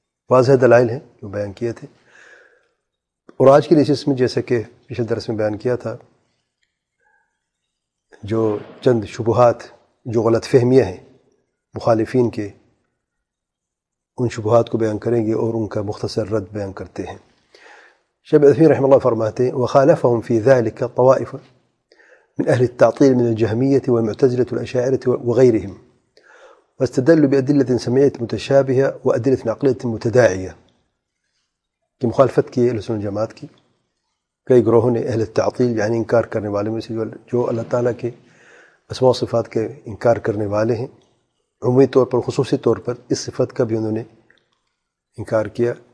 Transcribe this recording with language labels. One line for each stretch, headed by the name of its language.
Urdu: واضح دلائل ہیں جو بیان کیے تھے. اور آج کے لیے اس میں، جیسے کہ پچھلے درس میں بیان کیا تھا، جو چند شبہات، جو غلط فہمیاں ہیں مخالفین کے، ان شبہات کو بیان کریں گے اور ان کا مختصر رد بیان کرتے ہیں. شیخ ابن عثیمین رحمہ اللہ فرماتے ہیں،
Arabic: وخالفهم في ذلك طوائف من اهل التعطيل من الجهمية والمعتزلة والأشاعرة وغيرهم، واستدلوا بأدلة سمعية متشابهة وأدلة عقلية متداعية.
Urdu: کہ مخالفت کی اہل سنت جماعت کی کئی گروہوں نے، اہل تعطیل یعنی انکار کرنے والے میں سے، جو اللہ تعالیٰ کے اسماء و صفات کے انکار کرنے والے ہیں، عمومی طور پر، خصوصی طور پر اس صفت کا بھی انہوں نے انکار کیا.